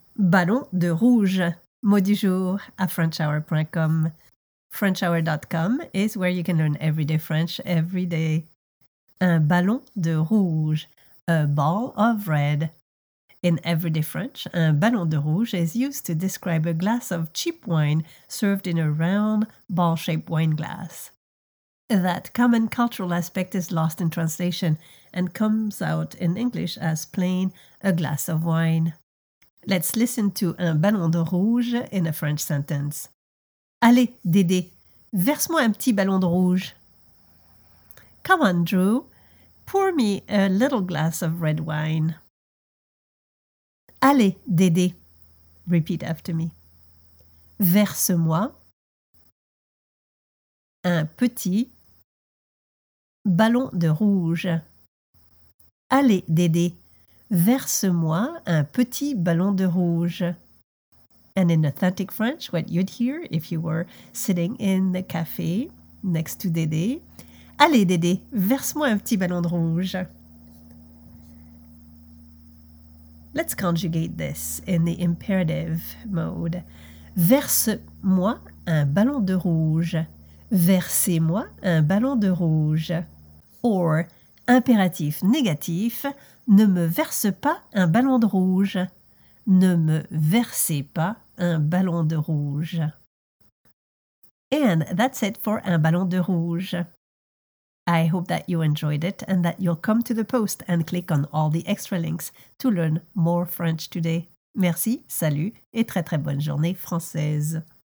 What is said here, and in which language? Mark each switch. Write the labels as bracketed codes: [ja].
[fr] Ballon de rouge, mot du jour à FrenchHour.com. [en] FrenchHour.com is where you can learn everyday French every day. [fr] Un ballon de rouge, [en] a ball of red. In everyday French, [fr] un ballon de rouge [en] is used to describe a glass of cheap wine served in a round, ball-shaped wine glass. That common cultural aspect is lost in translation and comes out in English as plain a glass of wine. Let's listen to [fr] un ballon de rouge [en] in a French sentence. [fr] Allez, Dédé, verse-moi un petit ballon de rouge. [en] Come on, Drew, pour me a little glass of red wine. [fr] Allez, Dédé, [en] repeat after me. [fr] Verse-moi un petit ballon de rouge. Allez, Dédé. Verse-moi un petit ballon de rouge. [en] And in authentic French, what you'd hear if you were sitting in the café next to Dédé. [fr] Allez, Dédé, verse-moi un petit ballon de rouge. [en] Let's conjugate this in the imperative mode. [fr] Verse-moi un ballon de rouge. Versez-moi un ballon de rouge. Or, impératif négatif, ne me verse pas un ballon de rouge. Ne me versez pas un ballon de rouge. [en] And that's it for [fr] un ballon de rouge. [en] I hope that you enjoyed it and that you'll come to the post and click on all the extra links to learn more French today. [fr] Merci, salut et très très bonne journée française.